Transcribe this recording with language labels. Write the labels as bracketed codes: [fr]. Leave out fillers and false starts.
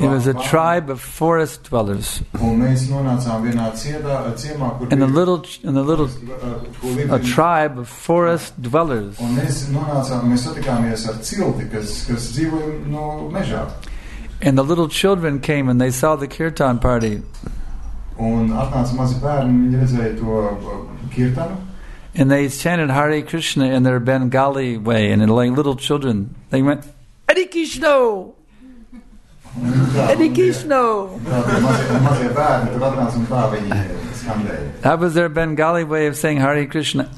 [en] It was a tribe of forest dwellers. [lv] Un mēs nonācām vienā ciemā, kur bija [en] a tribe of forest dwellers. [lv] Un mēs satikāmies ar cilti, kas dzīvoja no mežā. [en] And the little children came and they saw the kirtan party. [lv] Un atnāca mazi bērni, viņi redzēja to kirtanu. [en] And they chanted Hare Krishna in their Bengali way, and like little children, they went, Hare Krishna! Hare Krishna! someday. How was their Bengali way of saying Hare Krishna?